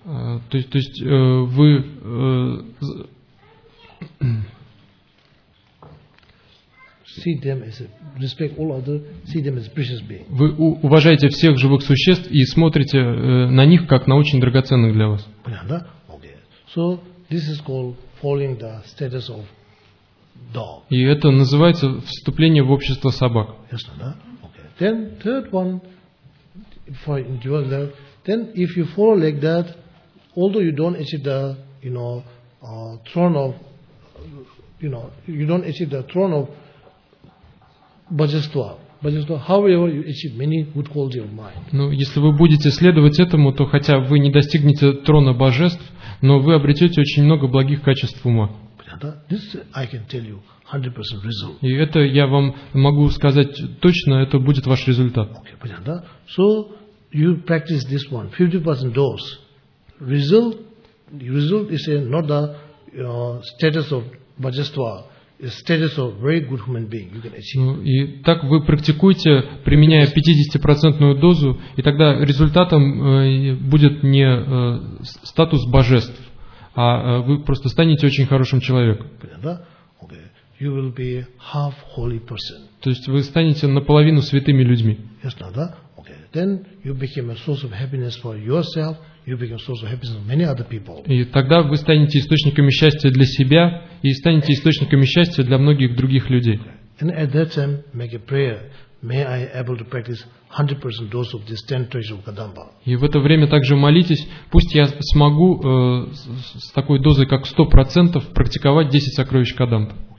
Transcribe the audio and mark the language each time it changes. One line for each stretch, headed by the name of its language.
English: See them as a respect all other, see them as precious being.
Russian: Вы уважаете всех живых существ и смотрите на них как на очень драгоценных для вас. Понятно?
English: Okay. So this is called following the status of dog.
Russian: И это называется вступление в общество собак. Ясно, да?
English: Then third one, for individual level. Then if you follow like that, although you don't achieve the, you know, throne of, you know, you don't achieve the throne of Bajastva. However, you achieve many good qualities of mind.
Russian: Ну, если вы будете следовать этому, то хотя вы не достигнете трона божеств, но вы обретете очень много благих качеств ума.
English: This I can tell you. 100% result.
Russian: И это я вам могу сказать точно, это будет ваш результат.
English: Okay,
Russian: понятно.
English: So you practice this one, 50% dose. Result is not the status of bhajastva, it's status of very good human being. You can achieve.
Russian: Ну, и так вы практикуете, применяя 50-процентную дозу, и тогда результатом будет не статус божеств, а вы просто станете очень хорошим человеком. Понятно.
English: You will be half holy person.
Russian: То есть вы станете наполовину святыми людьми. Ясно, да?
English: Okay. Then you become a source of happiness for yourself. You become a source of happiness for many other people.
Russian: И тогда вы станете источниками счастья для себя и станете источниками счастья для многих других людей.
English: Okay. And at that time, make a prayer. May I able to practice 100% dose of this 10 treasure of Kadamba.
Russian: И в это время также молитесь, пусть я смогу с такой дозой, как 100%, практиковать 10 сокровищ Кадамба.